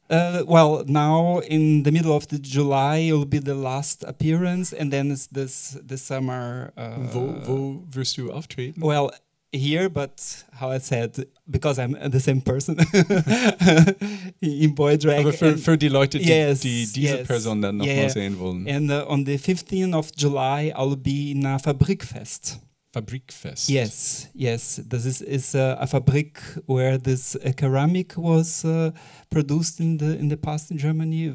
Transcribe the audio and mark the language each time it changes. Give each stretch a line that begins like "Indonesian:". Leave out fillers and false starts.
English: Well, now in the middle of the July, it will be the last appearance, and then it's this summer.
German: Wo wirst du auftreten?
English: Well, here, but how I said, because I'm the same person in boy drag.
German: Aber für die Leute, diese Person dann noch mal sehen wollen.
English: And on the 15th of July, I'll be in a Fabrikfest. Fabrikfest. Yes, yes. This is a Fabrik where this ceramic was produced in the past in Germany.